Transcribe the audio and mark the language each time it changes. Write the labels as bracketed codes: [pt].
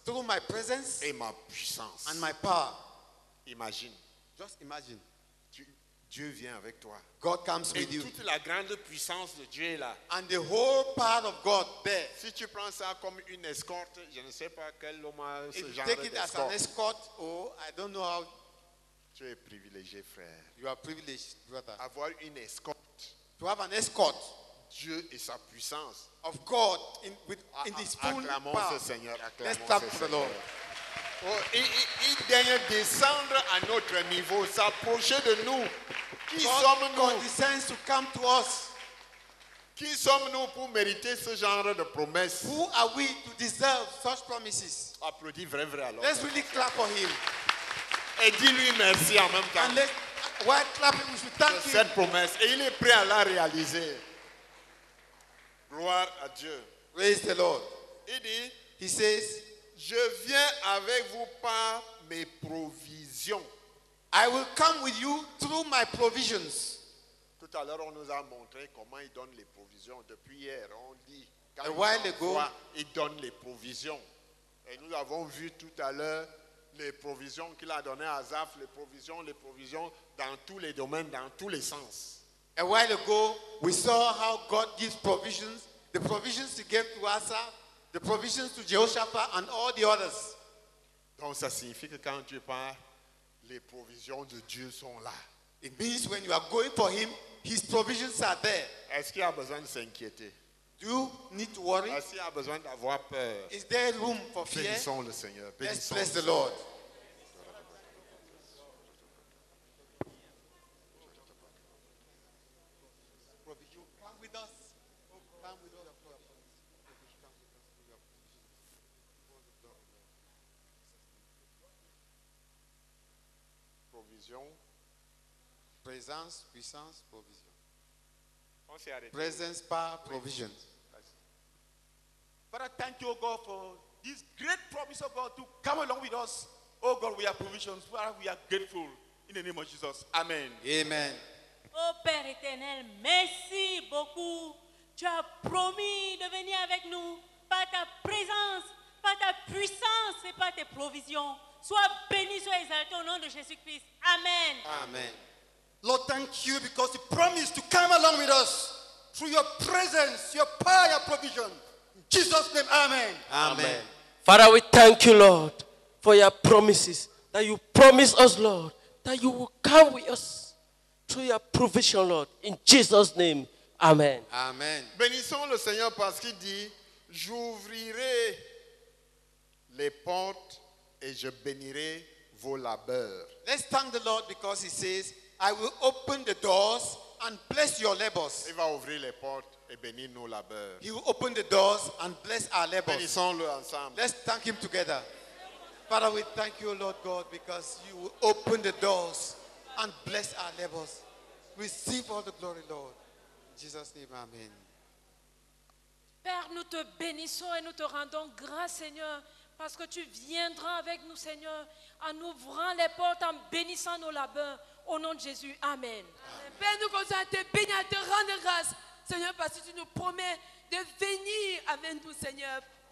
[en] Through my presence. [fr] Et ma puissance. [en] And my power. Imagine. Just imagine. [fr] Dieu vient avec toi. [en] God comes [fr] et [en] with you. [fr] Et toute la grande puissance de Dieu est là. [en] And the whole power of God there. [fr] Si tu prends ça comme une escorte, je ne sais pas quel homme a ce [en] if [fr] genre d'escorte. [en] Take it as an escort, oh, I don't know how. [fr] Tu es privilégié, frère. [en] You are privileged, brother. [fr] Avoir une escorte. [en] To have an escort. [fr] Dieu et sa puissance. [en] Of God in with in this full power. [fr] Acclamons ce Seigneur. Acclamons ce Seigneur. [en] Let's clap for the Lord. [fr] Oh, il vient descendre à notre niveau, s'approcher de nous. Qui sommes-nous? Qui sommes-nous pour mériter ce genre de promesses? [en] Who are we to deserve such promises? [fr] Applaudis vrai vrai alors. [en] Let's really clap for him. [fr] Et dis-lui merci en même temps. [en] And let's while clapping, we should thank him. [fr] Cette promesse, et il est prêt à la réaliser. Gloire à Dieu. [en] Praise the Lord. [fr] Il dit. [en] He says. [fr] Je viens avec vous par mes provisions. [en] I will come with you through my provisions. [fr] Tout à l'heure, on nous a montré comment il donne les provisions. Depuis hier, on dit quand [en] a while ago, [fr] il donne les provisions. Et nous avons vu tout à l'heure les provisions qu'il a données à Azaph, les provisions dans tous les domaines, dans tous les sens. [en] A while ago, we saw how God gives provisions, the provisions he gave to Azaph, the provisions to Jehoshaphat and all the others. [fr] Donc ça signifie que quand tu pars, les provisions de Dieu sont là. [en] It means when you are going for him, his provisions are there. [fr] Est-ce qu'il y a besoin de s'inquiéter? [en] Do you need to worry? [fr] Est-ce qu'il y a besoin d'avoir peur? [en] Is there room for fear? [fr] Bénissons le Seigneur. [en] Let's bless the Lord. [fr] Présence, puissance, provision. On s'est arrêté. [en] Presence, power, provision. Father, thank you, O God, for this great promise of God to come along with us. O God, we are provisions. Father, we are grateful. In the name of Jesus. Amen. Amen. [fr] O Père éternel, merci beaucoup. Tu as promis de venir avec nous par ta présence, par ta puissance et par tes provisions. Sois béni, sois exalté au nom de Jésus-Christ. Amen. Amen. [en] Lord, thank you because you promised to come along with us through your presence, your power, your provision. In Jesus' name, amen. Amen. Father, we thank you, Lord, for your promises that you promised us, Lord, that you will come with us through your provision, Lord. In Jesus' name, amen. Amen. [fr] Bénissons le Seigneur parce qu'il dit, j'ouvrirai les portes et je bénirai vos labeurs. [en] Let's thank the Lord because he says, I will open the doors and bless your labors. [fr] Il va ouvrir les portes et bénir nos labeurs. [en] He will open the doors and bless our labors. [fr] Bénissons-le ensemble. [en] Let's thank him together. Father, we thank you, Lord God, because you will open the doors and bless our labors. Receive all the glory, Lord. In Jesus' name, amen. [fr] Père, nous te bénissons et nous te rendons grâce, Seigneur, parce que tu viendras avec nous, Seigneur, en ouvrant les portes, en bénissant nos labeurs. Au nom de Jésus, amen. Amen. Père, nous continuons à te bénir, à te rendre grâce, Seigneur, parce que tu nous promets de venir avec nous, Seigneur.